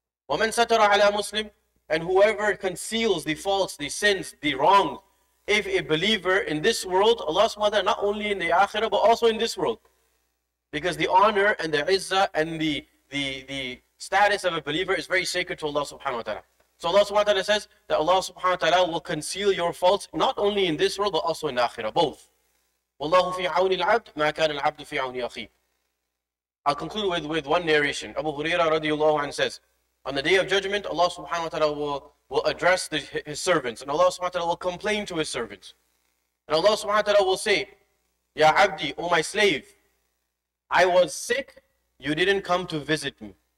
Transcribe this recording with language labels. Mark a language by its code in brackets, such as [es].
[ar] وَمَنْ سَتَرَ عَلَىٰ مُسْلِمٍ [en] And whoever conceals the faults, the sins, the wrong, if a believer in this world, Allah subhanahu wa ta'ala, not only in the akhirah, but also in this world. Because the honor and the izzah and the status of a believer is very sacred to Allah subhanahu wa ta'ala. So Allah subhanahu wa ta'ala says that Allah subhanahu wa ta'ala will conceal your faults not only in this world but also in the akhirah, both. [ar] وَاللَّهُ فِي عَوْنِ الْعَبْدِ مَا كَانَ الْعَبْدُ فِي عَوْنِ أَخِيهِ [en] I'll conclude with one narration. Abu Huraira radiallahu anhu says, on the day of judgment, Allah subhanahu wa ta'ala will address his servants, and Allah subhanahu wa ta'ala will complain to his servants. And Allah subhanahu wa ta'ala will say, Ya Abdi, O my slave, I was sick, you didn't come to visit me.